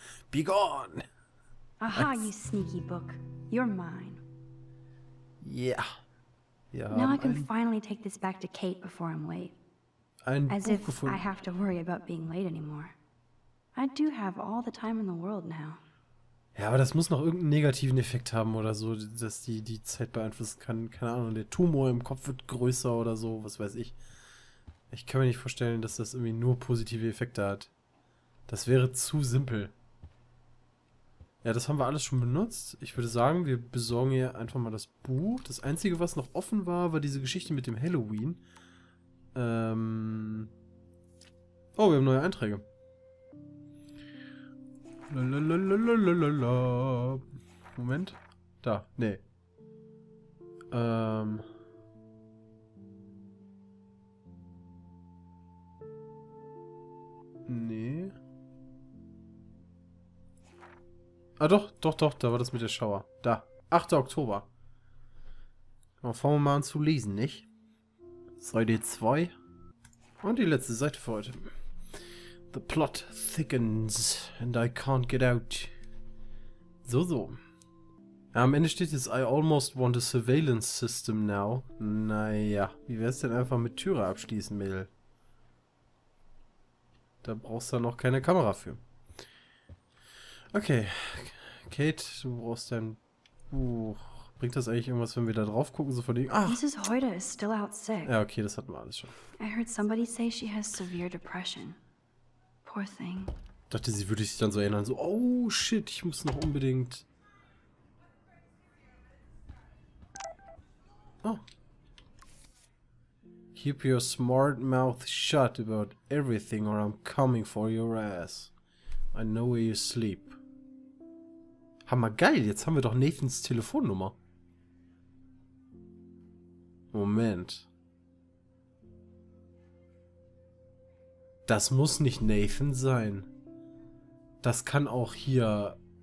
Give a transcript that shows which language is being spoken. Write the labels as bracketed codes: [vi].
[en] Be gone. Aha, that's... you sneaky book. You're mine. Yeah. Yeah. Now I can finally take this back to Kate before I'm late. [de] Ein [en] As [de] Buch [en] if [de] gefunden. [en] I have to worry about being late anymore. I do have all the time in the world now. [de] Ja, aber das muss noch irgendeinen negativen Effekt haben oder so, dass die Zeit beeinflussen kann. Keine Ahnung, der Tumor im Kopf wird größer oder so, was weiß ich. Ich kann mir nicht vorstellen, dass das irgendwie nur positive Effekte hat. Das wäre zu simpel. Ja, das haben wir alles schon benutzt. Ich würde sagen, wir besorgen hier einfach mal das Buch. Das Einzige, was noch offen war, war diese Geschichte mit dem Halloween. Oh, wir haben neue Einträge. Lalalalalala. Moment. Da. Nee. Nee. Ah, doch. Doch, doch. Da war das mit der Schauer. Da. 8. Oktober. Mal fangen wir mal an zu lesen, nicht? Seite 2. Und die letzte Seite für heute. [en] The plot thickens and I can't get out. [de] So, so. Ja, am Ende steht jetzt, [en] I almost want a surveillance system now. [de] Naja, wie wär's denn einfach mit Türe abschließen, Mädel? Da brauchst du noch keine Kamera für. Okay. Kate, du brauchst dein Buch. Bringt das eigentlich irgendwas, wenn wir da drauf gucken? So von dem. Ah! [en] This is [de] heute [en] is still out sick. [de] Ja, okay, das hatten wir alles schon. [en] I heard somebody say she has severe depression. Poor thing. [de] Dachte, sie würde sich dann so erinnern, so, [en] oh shit, [de] ich muss noch unbedingt. Oh. [en] Keep your smart mouth shut about everything or I'm coming for your ass. I know where you sleep. [de] Hammer geil, jetzt haben wir doch Nathans Telefonnummer. Moment. Das muss nicht Nathan sein. Das kann auch hier...